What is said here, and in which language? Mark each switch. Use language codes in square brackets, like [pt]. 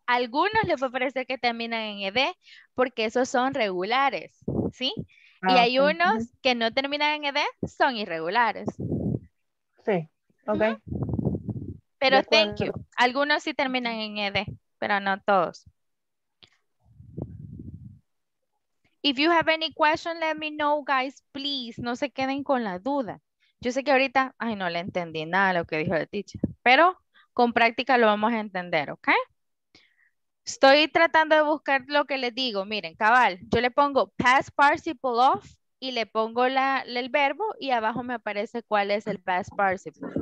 [es] Algunos les puede parecer que terminan en ed, porque esos son regulares, ¿sí? Y hay unos que no terminan en ed, son irregulares. Sí, ok. Pero [en] thank you. [es] Algunos sí terminan en ed, pero no todos. [en] If you have any question, let me know, guys, please. [es] No se queden con la duda. Yo sé que ahorita, ay, no le entendí nada lo que dijo la teacher. Pero con práctica lo vamos a entender, ¿ok? Estoy tratando de buscar lo que les digo. Miren, cabal, yo le pongo past participle of y le pongo la, el verbo y abajo me aparece cuál es el past participle.